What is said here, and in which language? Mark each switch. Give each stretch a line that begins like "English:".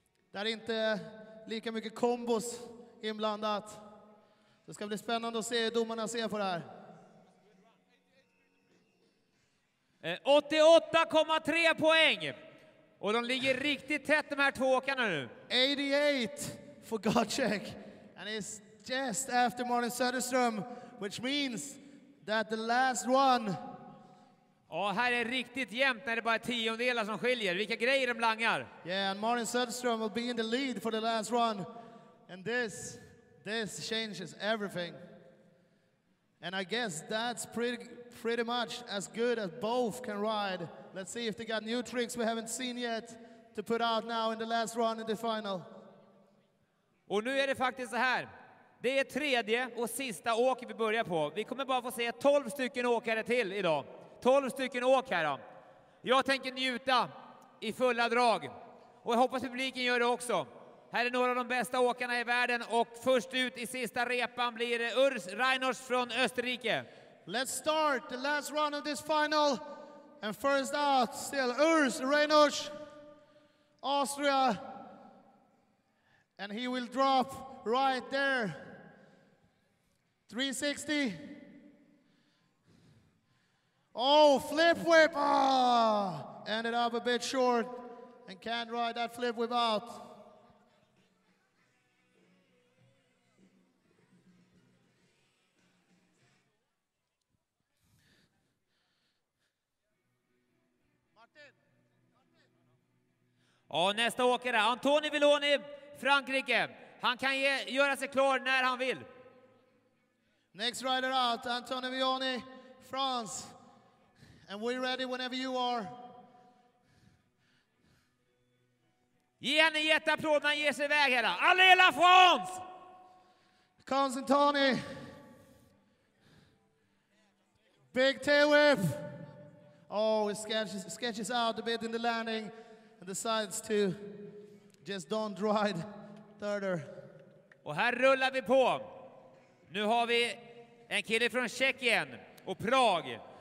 Swedish: Där inte lika mycket kombos inblandat. Det ska bli spännande att se hur domarna ser på det här. 88,3 poäng. Och de ligger riktigt tätt de här två åkarna nu.
English: 88 for Gottschalk. And it's just after Martin Söderström. Which means that the last one.
Swedish: Ja, här är riktigt jämnt när det bara är tiondelar som skiljer. Vilka grejer de langar.
English: Yeah, and Martin Söderström will be in the lead for the last run. And this... this changes everything. And I guess that's pretty much as good as both can ride. Let's see if they got new tricks we haven't seen yet to put out now in the last run in the final.
Swedish: Och nu är det faktiskt så här. Det är tredje och sista åket vi börjar på. Vi kommer bara få se 12 stycken åkare till idag. 12 stycken åk här då. Jag tänker njuta i fulla drag. Och jag hoppas publiken gör det också. Här är några av de bästa åkarna i världen och först ut i sista repan blir Urs Reinhardt från Österrike.
English: Let's start the last run of this final and first out still Urs Reinhardt, Austria, and he will drop right there. 360. Oh, flip whip! Ah, ended up a bit short and can't ride that flip whip out.
Swedish: Ja, nästa åkare, Anthony Villoni, Frankrike. Han kan göra sig klar när han vill.
English: Next rider out, Anthony Villoni, France. And we're ready whenever you are.
Swedish: Ge henne en jätteapplåd när han ger sig iväg här.
French: Allez la France!
English: Comes Anthony. Big tail whip. Oh, it sketches out a bit in the landing. Decides to just don't ride thirder.
Swedish: Och här rullar vi på. Nu har vi en kille från Tjeckien och Prag.